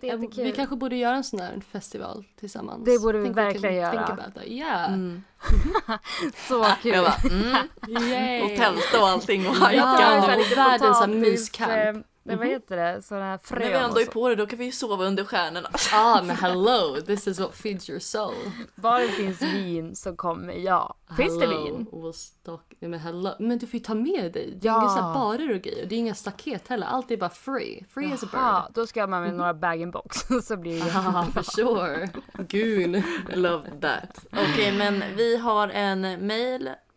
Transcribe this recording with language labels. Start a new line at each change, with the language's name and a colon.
Swedish: Jättekul. Vi kanske borde göra en sån här festival tillsammans. Det borde vi verkligen göra.
English: Think about that. Yeah.
Swedish: Så kul. Jag bara, Yay. Och tälta och allting. Ja, världens myscamp. Mm-hmm. Vad heter det? Sådana här frön. När vi ändå är på det, då kan vi ju sova under stjärnorna. Ah, men
English: hello, this is what feeds your soul.
Swedish: Bara det finns vin så kommer jag. Finns
English: hello,
Swedish: det vin?
English: We'll stock...
Swedish: Nej, men hello. Men du får ju ta med dig. Det är inga barer och grejer. Det är inga staket heller. Allt är bara
English: free. Free as a bird.
Swedish: Ja, då ska jag med några bag in box. Så blir det
English: for sure.
Swedish: Goon.
English: Love that.
Swedish: Okej, men vi har en mail.